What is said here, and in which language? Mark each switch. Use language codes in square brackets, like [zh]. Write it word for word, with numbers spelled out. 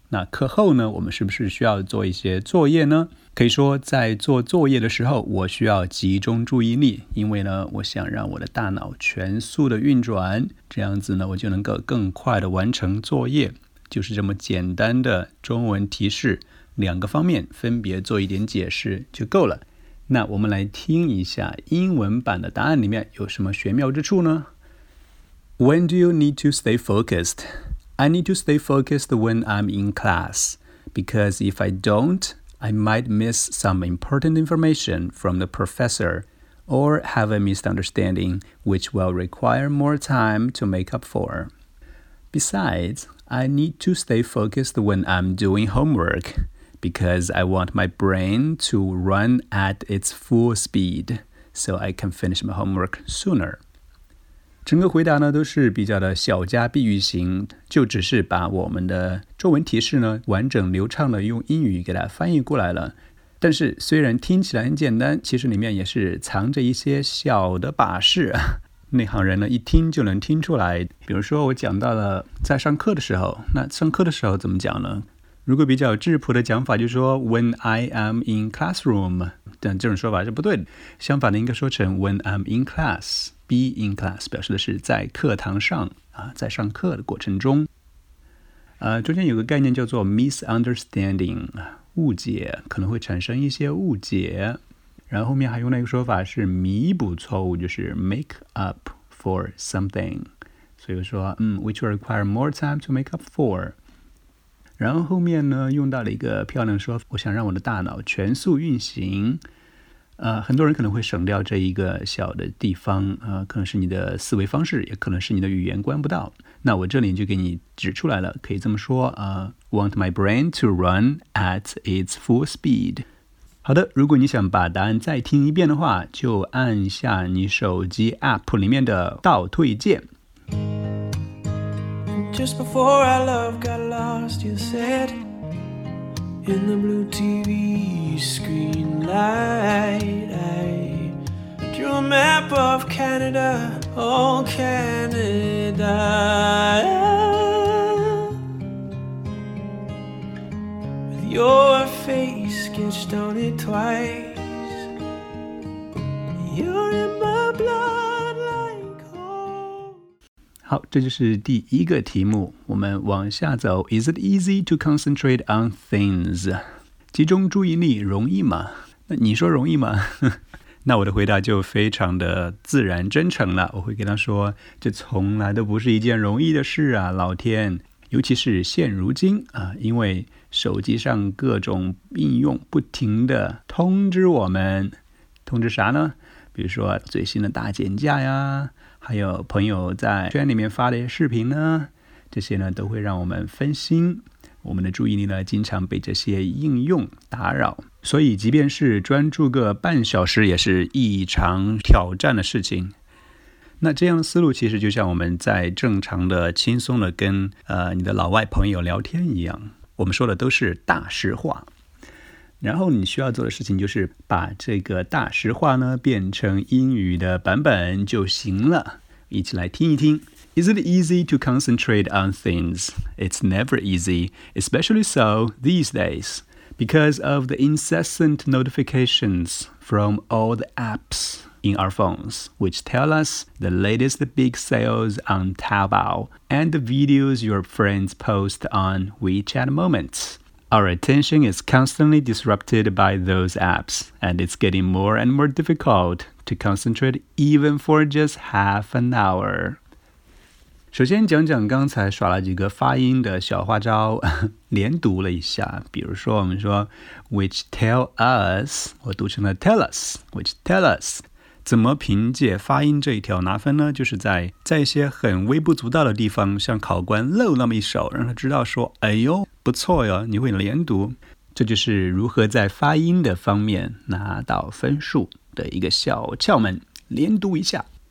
[zh] 那课后呢，我们是不是需要做一些作业呢？可以说在做作业的时候，我需要集中注意力，因为呢，我想让我的大脑全速的运转，这样子呢，我就能够更快的完成作业。就是这么简单的中文提示，两个方面分别做一点解释就够了。那我们来听一下英文版的答案里面有什么玄妙之处呢？ [en] When do you need to stay focused? I need to stay focused when I'm in class, because if I don't, I might miss some important information from the professor or have a misunderstanding, which will require more time to make up for. Besides, I need to stay focused when I'm doing homework, because I want my brain to run at its full speed, so I can finish my homework sooner. [zh] 整个回答呢都是比较的小家碧玉型，就只是把我们的中文提示呢完整流畅的用英语给它翻译过来了。但是虽然听起来很简单，其实里面也是藏着一些小的把式，内行人呢一听就能听出来。比如说我讲到了在上课的时候，那上课的时候怎么讲呢？如果比较质朴的讲法就是说 [en] When I am in classroom， [zh] 但这种说法是不对的，相反的应该说成 [en] When I'm in class。 Be in class [zh] 表示的是在课堂上、啊、在上课的过程中、呃、中间有个概念叫做 misunderstanding， 误解，可能会产生一些误解。然后后面还用那个说法是弥补错误，就是 [en] make up for something， [zh] 所以说、嗯、 [en] which will require more time to make up for。 [zh] 然后后面呢用到了一个漂亮说法，我想让我的大脑全速运行。呃，很多人可能会省掉这一个小的地方，呃，可能是你的思维方式，也可能是你的语言观不到。那我这里就给你指出来了，可以这么说啊、呃、， [en] want my brain to run at its full speed。 [zh] 好的，如果你想把答案再听一遍的话，就按下你手机 app 里面的倒退键。 [en] Just before our love got lost, you said in the blue T V screen light, I drew a map of Canada, oh Canada, with your face sketched on it twice, you're in my blood like home. [zh] 好，这就是第一个题目。我们往下走 [en] Is it easy to concentrate on things? [zh] 集中注意力容易吗？那你说容易吗？那我的回答就非常的自然真诚了，我会跟他说，这从来都不是一件容易的事啊，老天，尤其是现如今啊，因为手机上各种应用不停的通知我们，通知啥呢？比如说最新的大减价呀，还有朋友在圈里面发的视频呢，这些呢都会让我们分心，我们的注意力呢经常被这些应用打扰，所以即便是专注个半小时也是异常挑战的事情。那这样的思路其实就像我们在正常的轻松的跟、呃、你的老外朋友聊天一样，我们说的都是大实话。然后你需要做的事情就是把这个大实话呢变成英语的版本就行了。一起来听一听。 [en] Is it easy to concentrate on things? It's never easy, especially so these days, because of the incessant notifications from all the apps in our phones, which tell us the latest big sales on Taobao and the videos your friends post on WeChat Moments. Our attention is constantly disrupted by those apps, and it's getting more and more difficult to concentrate even for just half an hour. [zh] 首先讲讲刚才耍了几个发音的小花招，连读了一下。比如说我们说 [en] which tell us， [zh] 我读成了 [en] tell us, which tell us。 [zh] 怎么凭借发音这一条拿分呢？就是在在一些很微不足道的地方，向考官露那么一手，让他知道说，哎呦，不错哟，你会连读。这就是如何在发音的方面拿到分数的一个小窍门，连读一下。